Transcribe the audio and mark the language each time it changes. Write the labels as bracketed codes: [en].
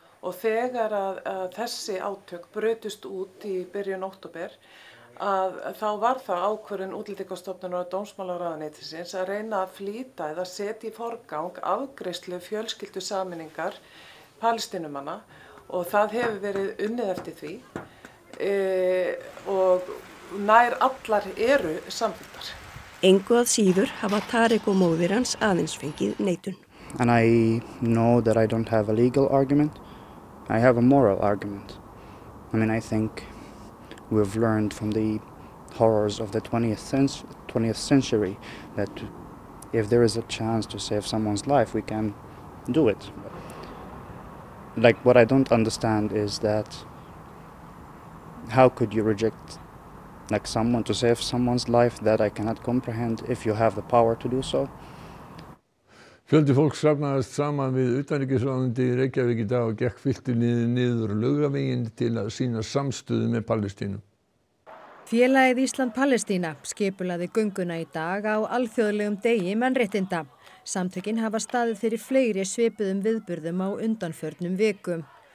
[is] Og þegar að þessi átök brutust út í byrjun október að þá var það ákvörðun útlendingastofnunar og dómsmálaráðuneytisins að reyna að flýta eða setja í forgang afgreiðslu fjölskyldusameiningar palestínumanna og það hefur verið unnið eftir því og nær allar eru samþykktar. Engu að síður hafa Tarek og móðir hans aðeins fengið neitun. [en] And I know that I don't have a legal argument. I have a moral argument. I mean I think we've learned from the horrors of the 20th century that if there is a chance to save someone's life we can do it. Like what I don't understand is that how could you reject like someone to save someone's life that I cannot comprehend if you have the power to do so. [is] Fjöldi fólk safnaðist saman við utanríkisráðuneyti í Reykjavík í dag og gekk fylktu liðið niður Laugaveginn til að sýna samstöðu með Palestínu. Félagið Ísland-Palestína skipulaði gönguna í dag á alþjóðlegum degi mannréttinda. Samtökin hafa staðið fyrir fleiri svipuðum viðburðum á undanförnum vikum.